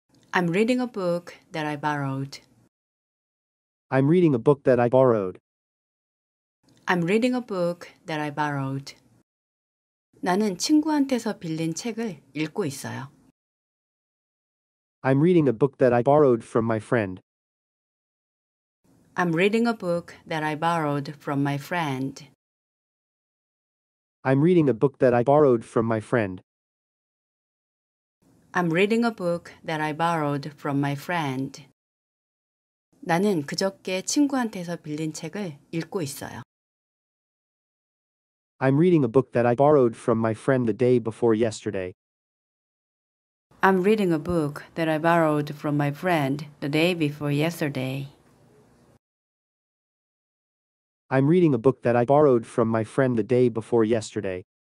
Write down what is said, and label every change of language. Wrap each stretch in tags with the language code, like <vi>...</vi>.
<en>I'm reading a book that I borrowed. I'm reading a book that I borrowed. I'm reading a book that I borrowed.</en> <ko>나는 친구한테서 빌린 책을 읽고 있어요.</ko> <en>I'm reading a book that I borrowed from my friend. I'm reading a book that I borrowed from my friend. I'm reading a book that I borrowed from my friend. I'm reading a book that I borrowed from my friend.</en> <ko>나는 그저께 친구한테서 빌린 책을 읽고 있어요.</ko> <en>I'm reading a book that I borrowed from my friend the day before yesterday. I'm reading a book that I borrowed from my friend the day before yesterday. I'm reading a book that I borrowed from my friend the day before yesterday.</en>